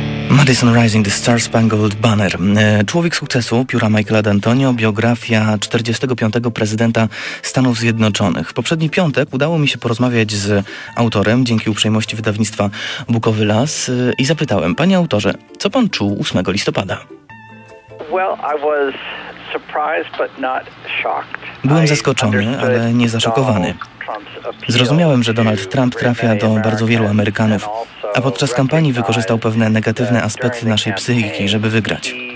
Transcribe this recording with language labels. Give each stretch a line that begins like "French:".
Polish: Madison Rising, The Star Spangled Banner. Człowiek sukcesu, pióra Michaela D'Antonio, biografia 45. prezydenta Stanów Zjednoczonych. W poprzedni piątek udało mi się porozmawiać z autorem, dzięki uprzejmości wydawnictwa Bukowy Las, i zapytałem: panie autorze, co pan czuł 8 listopada?
English: Well, I was surprised, but not shocked.
Polish: Byłem zaskoczony, ale nie zaszokowany. Zrozumiałem, że Donald Trump trafia do bardzo wielu Amerykanów, a podczas kampanii wykorzystał pewne negatywne aspekty naszej psychiki, żeby wygrać.